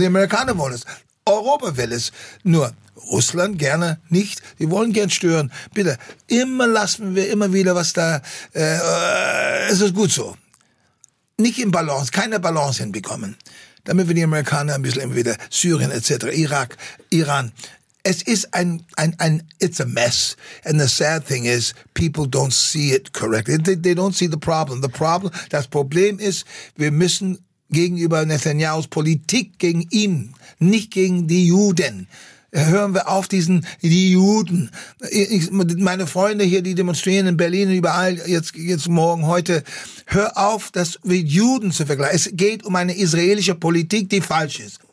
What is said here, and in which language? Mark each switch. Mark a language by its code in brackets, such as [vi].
[de] Die Amerikaner wollen es. Europa will es. Nur Russland gerne nicht. Die wollen gern stören. Bitte, immer lassen wir immer wieder was da. Es ist gut so. Nicht in Balance, keine Balance hinbekommen. Damit wir die Amerikaner ein bisschen immer wieder, Syrien etc., Irak, Iran. Es ist ein [en] it's a mess. And the sad thing is, people don't see it correctly. They don't see the problem. [de] Das Problem ist, wir müssen gegenüber Netanyahus Politik gegen ihn, nicht gegen die Juden. Hören wir auf, die Juden. Meine Freunde hier, die demonstrieren in Berlin und überall, jetzt morgen, heute, hör auf, das mit Juden zu vergleichen. Es geht um eine israelische Politik, die falsch ist.